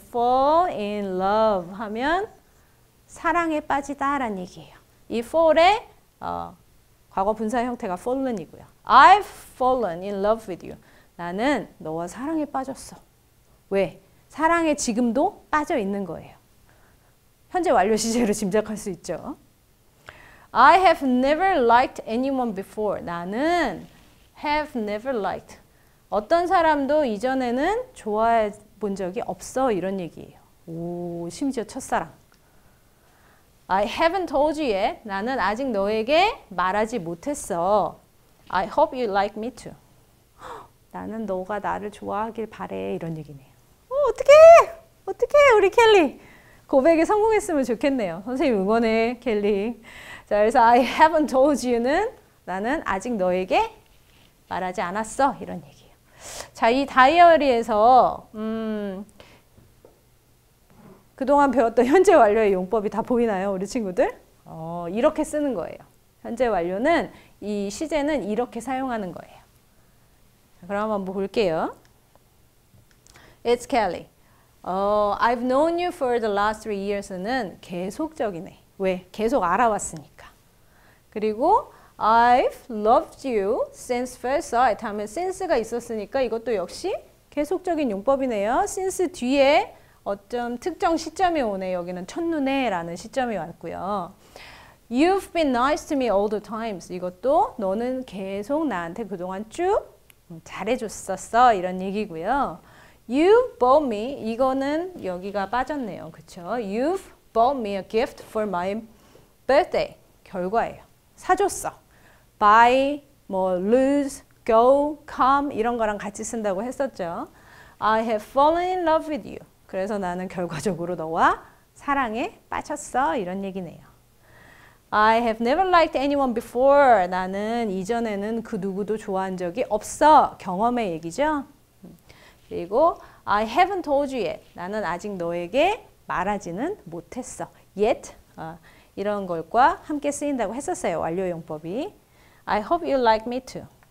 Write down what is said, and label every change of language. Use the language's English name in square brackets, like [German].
[English] fall in love [Korean] 하면 사랑에 빠지다 라는 얘기예요. 이 fall의 과거 분사 형태가 fallen이고요. [English] I've fallen in love with you. [Korean] 나는 너와 사랑에 빠졌어. 왜? 사랑에 지금도 빠져 있는 거예요. 현재 완료 시제로 짐작할 수 있죠. [English] I have never liked anyone before. [Korean] 나는 [English] have never liked. [Korean] 어떤 사람도 이전에는 좋아해 본 적이 없어. 이런 얘기예요. 오, 심지어 첫사랑. [English] I haven't told you yet. [Korean] 나는 아직 너에게 말하지 못했어. [English] I hope you like me too. [Korean] 나는 너가 나를 좋아하길 바래. 이런 얘기네요. 어떡해! 어떡해! 우리 켈리! 고백에 성공했으면 좋겠네요. 선생님 응원해, 켈리. 자, 그래서 [English] I haven't told you [Korean] 는 나는 아직 너에게 말하지 않았어. 이런 얘기예요. 자, 이 다이어리에서 그동안 배웠던 현재 완료의 용법이 다 보이나요, 우리 친구들? 이렇게 쓰는 거예요. 현재 완료는 이 시제는 이렇게 사용하는 거예요. 그럼 한번 볼게요. [English] It's Kelly. I've known you for the last 3 years는 [Korean] 계속적이네. 왜? 계속 알아왔으니까. 그리고 [English] I've loved you since first sight [Korean] 하면 since가 있었으니까 이것도 역시 계속적인 용법이네요. since 뒤에 어떤 특정 시점이 오네. 여기는 첫눈에 라는 시점이 왔고요. [English] You've been nice to me all the times. [Korean] 이것도 너는 계속 나한테 그동안 쭉 잘해줬었어. 이런 얘기고요. [English] You bought me. [Korean] 이거는 여기가 빠졌네요. 그렇죠? [English] You've bought me a gift for my birthday. [Korean] 결과예요. 사줬어. Buy, 뭐, lose, go, come 이런 거랑 같이 쓴다고 했었죠. [English] I have fallen in love with you. [Korean] 그래서 나는 결과적으로 너와 사랑에 빠졌어. 이런 얘기네요. [English] I have never liked anyone before. [Korean] 나는 이전에는 그 누구도 좋아한 적이 없어. 경험의 얘기죠. 그리고 [English] I haven't told you yet. [Korean] 나는 아직 너에게 말하지는 못했어. Yet 이런 것과 함께 쓰인다고 했었어요. 완료용법이. [English] I hope you like me too.